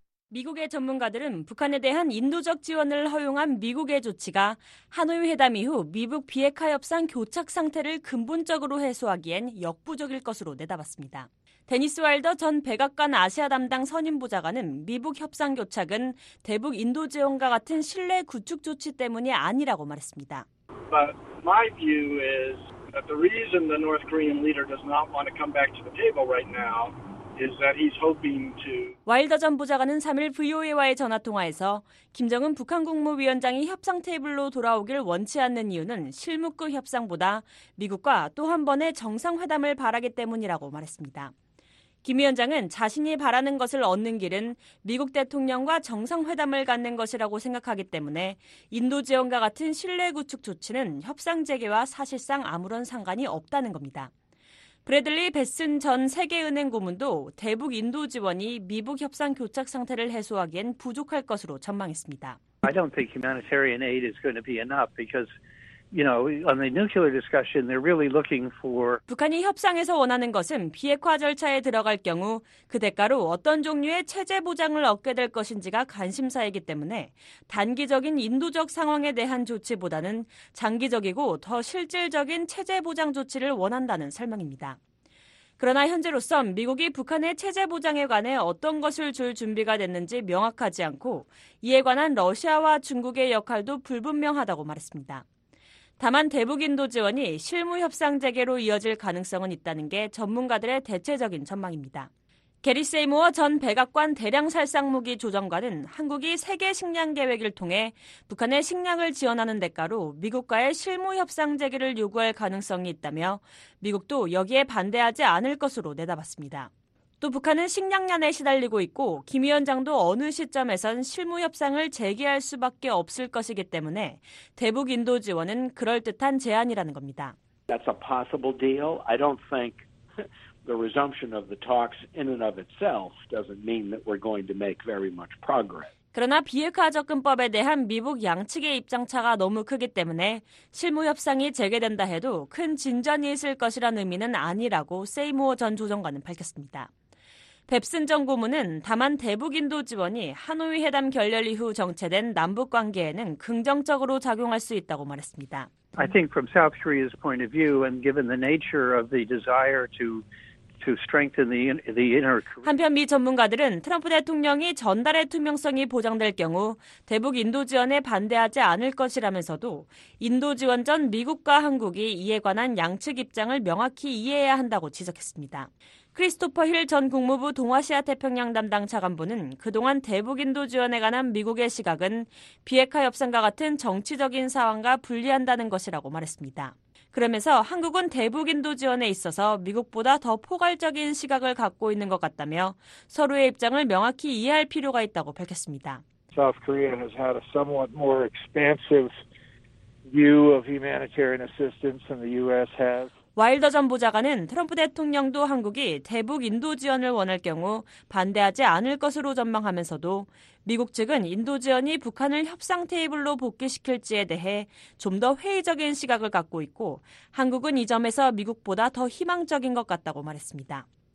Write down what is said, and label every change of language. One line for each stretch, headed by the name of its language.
Korean: 미국의 전문가들은 북한에 대한 인도적 지원을 허용한 미국의 조치가 하노이 회담 이후 미북 비핵화 협상 교착 상태를 근본적으로 해소하기엔 역부족일 것으로 내다봤습니다. 데니스 와일더 전 백악관 아시아 담당 선임보좌관은 미북 협상 교착은 대북 인도 지원과 같은 신뢰 구축 조치 때문이 아니라고 말했습니다.
English: But my view is that the reason the North Korean leader does not want to come back to the table right now is that he's hoping to
Korean: 와일더 전 보좌관은 3일 VOA와의 전화통화에서 김정은 북한 국무위원장이 협상 테이블로 돌아오길 원치 않는 이유는 실무급 협상보다 미국과 또 한 번의 정상회담을 바라기 때문이라고 말했습니다. 김 위원장은 자신이 바라는 것을 얻는 길은 미국 대통령과 정상회담을 갖는 것이라고 생각하기 때문에 인도 지원과 같은 신뢰 구축 조치는 협상 재개와 사실상 아무런 상관이 없다는 겁니다. 브래들리 베슨 전 세계은행 고문도 대북 인도 지원이 미북 협상 교착 상태를 해소하기엔 부족할 것으로 전망했습니다.
English: I don't think humanitarian aid is going to be enough because you know, on the nuclear discussion they're really looking for
Korean: 북한이 협상에서 원하는 것은 비핵화 절차에 들어갈 경우 그 대가로 어떤 종류의 체제 보장을 얻게 될 것인지가 관심사이기 때문에 단기적인 인도적 상황에 대한 조치보다는 장기적이고 더 실질적인 체제 보장 조치를 원한다는 설명입니다. 그러나 현재로선 미국이 북한의 체제 보장에 관해 어떤 것을 줄 준비가 됐는지 명확하지 않고 이에 관한 러시아와 중국의 역할도 불분명하다고 말했습니다. 다만 대북 인도 지원이 실무 협상 재개로 이어질 가능성은 있다는 게 전문가들의 대체적인 전망입니다. 게리 세이모어 전 백악관 대량 살상무기 조정관은 한국이 세계 식량 계획을 통해 북한에 식량을 지원하는 대가로 미국과의 실무 협상 재개를 요구할 가능성이 있다며 미국도 여기에 반대하지 않을 것으로 내다봤습니다. 또 북한은 식량난에 시달리고 있고 김 위원장도 어느 시점에선 실무 협상을 재개할 수밖에 없을 것이기 때문에 대북 인도 지원은 그럴듯한 제안이라는 겁니다.
English: That's a possible deal. I don't think the resumption of the talks in and of itself doesn't mean that we're going to make very much progress.
Korean: 그러나 비핵화 접근법에 대한 미국 양측의 입장차가 너무 크기 때문에 실무 협상이 재개된다 해도 큰 진전이 있을 것이란 의미는 아니라고 세이모어 전 조정관은 밝혔습니다. 뱁슨 전 고문은 다만 대북 인도 지원이 하노이 회담 결렬 이후 정체된 남북 관계에는 긍정적으로 작용할 수 있다고 말했습니다.
English: I think from South Korea's point of view and given the nature of the desire to strengthen the inner
Korean: 한편 미 전문가들은 트럼프 대통령이 전달의 투명성이 보장될 경우 대북 인도 지원에 반대하지 않을 것이라면서도 인도 지원 전 미국과 한국이 이에 관한 양측 입장을 명확히 이해해야 한다고 지적했습니다. 크리스토퍼 힐 전 국무부 동아시아 태평양 담당 차관보는 그동안 대북 인도 지원에 관한 미국의 시각은 비핵화 협상과 같은 정치적인 상황과 불리한다는 것이라고 말했습니다. 그러면서 한국은 대북 인도 지원에 있어서 미국보다 더 포괄적인 시각을 갖고 있는 것 같다며 서로의 입장을 명확히 이해할 필요가 있다고 밝혔습니다.
English: South Korea has had a somewhat more expansive view of humanitarian assistance than the U.S. has.
Korean: 와일더 전 보좌관은 트럼프 대통령도 한국이 대북 인도 지원을 원할 경우 반대하지 않을 것으로 전망하면서도 미국 측은 인도 지원이 북한을 협상 테이블로 복귀시킬지에 대해 좀 더 회의적인 시각을 갖고 있고 한국은 이 점에서 미국보다 더 희망적인 것 같다고 말했습니다.